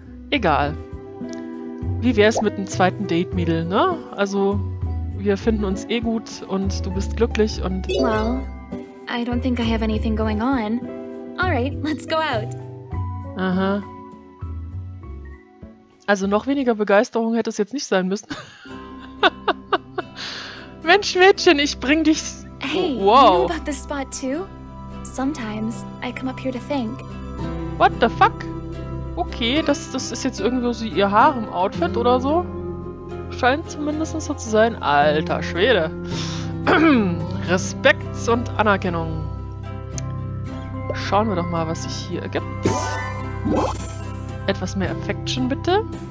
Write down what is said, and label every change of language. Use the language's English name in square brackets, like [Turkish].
[German] Egal. Wie wär's mit einem zweiten Date, Mädel, ne? Also, wir finden uns eh gut und du bist glücklich und... [English] Well, I don't think I have anything going on. Alright, let's go out. Aha. [German] Also noch weniger Begeisterung hätte es jetzt nicht sein müssen. Mensch, Mädchen, ich bring dich... [English] Hey, wow. You know about this spot too? Sometimes I come up here to think. What the fuck? [German] Okay, das ist jetzt irgendwie so ihr Haar im Outfit oder so. Scheint zumindest so zu sein. Alter Schwede. Respekt und Anerkennung. Schauen wir doch mal, was sich hier ergibt. Etwas mehr Affection bitte.